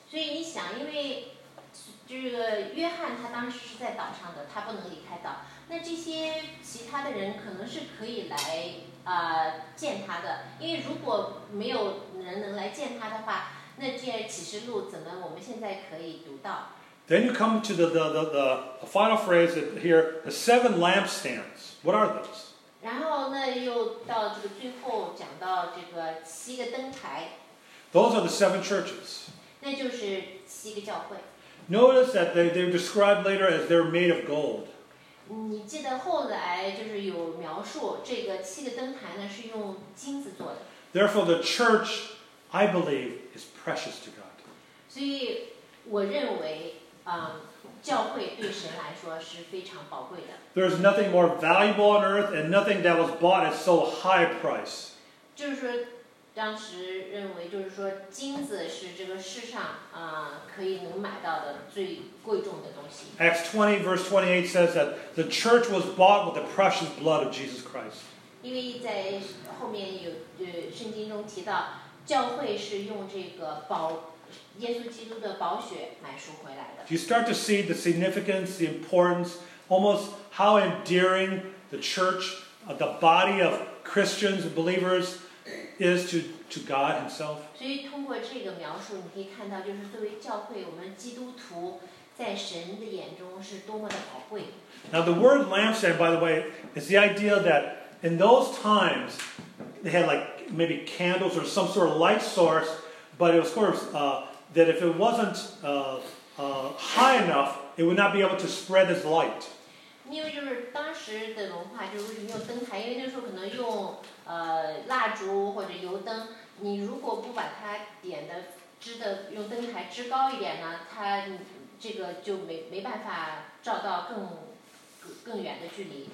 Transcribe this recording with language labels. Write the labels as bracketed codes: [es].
[zh] 所以你想，因为这个约翰他当时是在岛上的，他不能离开岛。那这些其他的人可能是可以来见他的，因为如果没有人能来见他的话，那这启示录怎么我们现在可以读到？ [en] Then you come to the final phrase here, the seven lampstands. What are those? [zh] 然后呢，又到这个最后讲到这个七个灯台。 [en] Those are the seven churches. [zh] 那就是七个教会。 [en] Notice that they're described later as they're made of gold. [zh] 你记得后来就是有描述这个七个灯台呢是用金子做的。 [en] Therefore, the church, I believe, is precious to God. [zh] 所以我认为。教会对神来说是非常宝贵的。 [en] There's nothing more valuable on earth, and nothing that was bought at so high a price. [zh] 就是说，当时认为，就是说，金子是这个世上可以能买到的最贵重的东西。 [en] Acts 20 verse 28 says that the church was bought with the precious blood of Jesus Christ. [zh] 因为在后面有圣经中提到，教会是用这个宝。耶稣基督的宝血买赎回来的。 [en] You start to see the significance, the importance, almost how endearing the church, the body of Christians and believers, is to God Himself. [zh] 所以通过这个描述，你可以看到，就是作为教会，我们基督徒在神的眼中是多么的宝贵。 [en] Now the word lampstand, by the way, is the idea that in those times they had like maybe candles or some sort of light source. But it was, of course, that if it wasn't high enough, it would not be able to spread its light. [zh] 因为就是当时的文化，就是为什么用灯台？因为那时候可能用蜡烛或者油灯，你如果不把它点的支的用灯台支高一点呢，它这个就没办法照到更远的距离。